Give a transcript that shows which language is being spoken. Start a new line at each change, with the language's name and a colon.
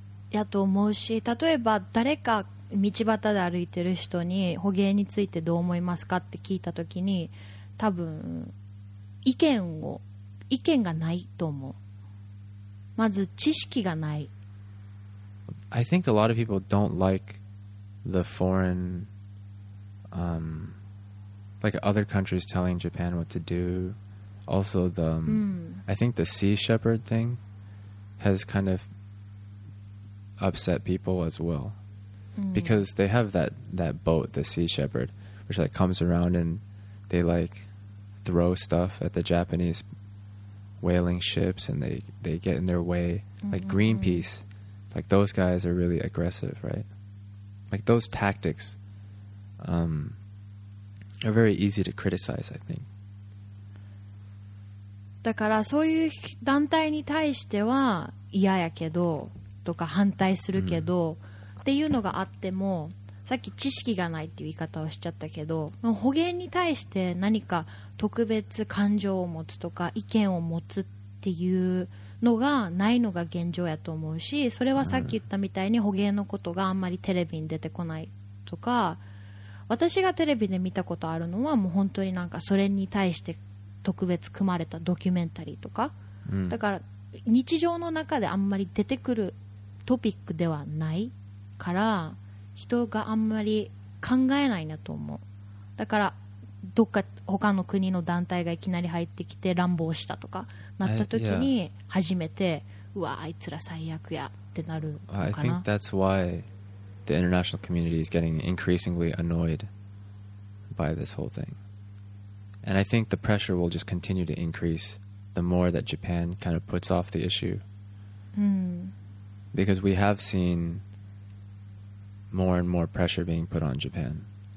Japanese: やと思うし、例えば誰か道端で歩いてる人に捕鯨についてどう思いますかって聞いたときに、多分意見がないと思う。まず知識がない。
English: I think a lot of people don't like the foreign, like other countries telling Japan what to do. Also, I think the sea shepherd thing has kind of upset people as well. Because they have that boat, the sea shepherd, which like comes around and they like throw stuff at the Japanese whaling ships and they get in their way. Like Greenpeace. Like those guys are really aggressive, right? Like those tactics are very easy to criticize, I think.
Japanese: だからそういう団体に対しては嫌やけどとか反対するけど、っていうのがあっても、さっき知識がないっていう言い方をしちゃったけど、捕鯨に対して何か特別感情を持つとか意見を持つっていうのがないのが現状やと思うし、それはさっき言ったみたいに捕鯨のことがあんまりテレビに出てこないとか、私がテレビで見たことあるのはもう本当になんかそれに対して特別組まれたドキュメンタリーとか、だから日常の中であんまり出てくるトピックではないから、人があんまり考えないなと思う。だからどっか他の国の団体がいきなり入ってきて乱暴したとかなった時に初めて、うわあいつら最悪やってなるのかな。
English: I think that's why the international community is getting increasingly annoyed by this whole thing. And I think the pressure will just continue to increase the more that Japan kind of puts off the issue. Because we have seen more and more pressure being put on Japan.